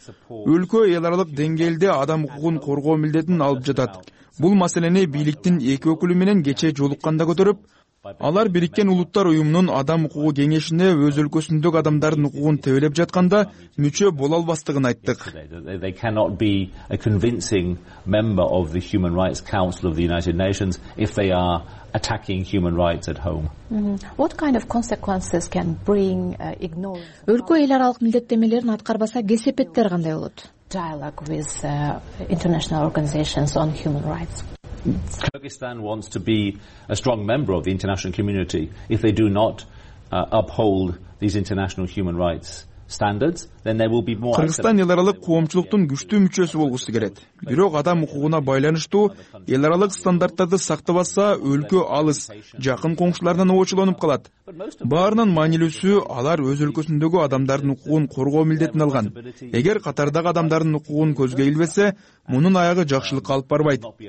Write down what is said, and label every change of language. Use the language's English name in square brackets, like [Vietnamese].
[Kyrgyz] Өлкө эл аралык деңгээлде адам укугун коргоо милдетин алып жатат. Бул маселени бийликтин эки өкүлү менен кечээ жолукканда көтөрүп, алар Бириккен Улуттар Уюмунун адам укугу кеңешине өз өлкөсүндөгү адамдардын укугун тебелеп жатканда мүчө боло албастыгын айттык. [English] They cannot be a convincing member of the Human Rights Council of the United Nations if they are attacking human rights at home. Mm-hmm. What kind of consequences can bring ignoring? [Kyrgyz] Өлкө эл аралык милдеттенмелерин аткарбаса кесепеттер кандай болот? [English] Dialogue with international organizations on human rights. Kyrgyzstan wants to be a strong member of the international community if they do not uphold these international human rights standards, then there will be more. [Kyrgyz] Кыргызстан эл аралык коомчулуктун күчтүү мүчөсү болгусу келет. Бирок адам укугуна байланыштуу эл аралык стандарттарды сактабаса, өлкө алыс, жакын коңшуларынан оочулонуп калат. Баарынан маанилүүсү алар өз өлкөсүндөгү адамдардын укугун коргоо милдетин алган. Эгер катардагы адамдардын укугун көзгө илбесе, мунун аягы жакшылыкка алып барбайт.